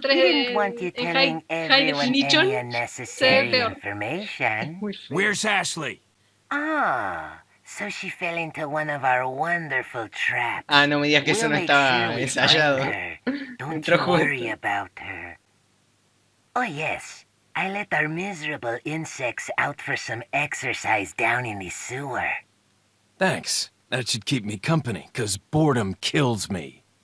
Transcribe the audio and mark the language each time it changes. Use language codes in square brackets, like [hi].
[en] Didn't want you telling everyone any unnecessary information. Where's Ashley? Ah, so she fell into one of our wonderful traps. [es] Ah, no me digas que eso no estaba ensayado. [en] Don't worry about her. Oh yes. I let our miserable insects out for some exercise down in the sewer. Thanks. That should keep me company, because boredom kills me.